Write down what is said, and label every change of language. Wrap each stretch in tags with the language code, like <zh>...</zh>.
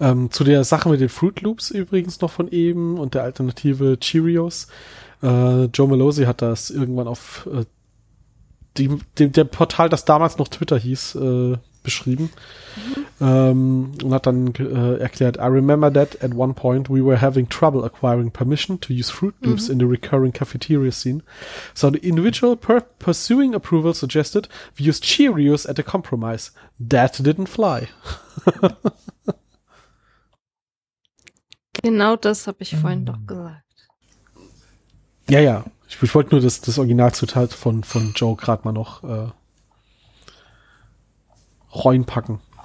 <de>Zu der Sache mit den Fruit Loops übrigens noch von eben und der Alternative Cheerios. Joe Melosi hat das irgendwann auf dem Portal, das damals noch Twitter hieß, beschrieben. Und hat dann erklärt,</de> <en>I remember that at one point we were having trouble acquiring permission to use Fruit Loops in the recurring cafeteria scene. So the individual pursuing approval suggested we use Cheerios at a compromise. That didn't fly.</en> <de>Genau das habe ich vorhin doch gesagt. Ja, ja. Ich wollte nur das Originalzitat von Joe gerade mal noch reinpacken.</de>